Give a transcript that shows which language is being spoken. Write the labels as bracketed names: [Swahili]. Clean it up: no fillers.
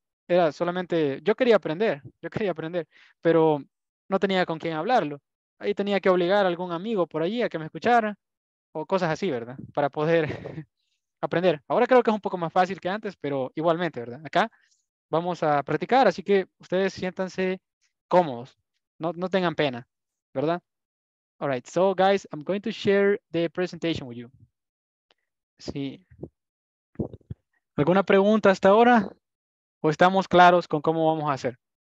[Spanish] Era solamente, yo quería aprender, pero no tenía con quién hablarlo. Ahí tenía que obligar a algún amigo por allí a que me escuchara, o cosas así, ¿verdad? Para poder... aprender. Ahora creo que es un poco más fácil que antes, pero igualmente, ¿verdad? Acá vamos a practicar, así que ustedes siéntanse cómodos. No tengan pena, ¿verdad? [English] All right, so guys, I'm going to share the presentation with you. [Spanish] Sí. ¿Alguna pregunta hasta ahora? ¿O estamos claros con cómo vamos a hacer?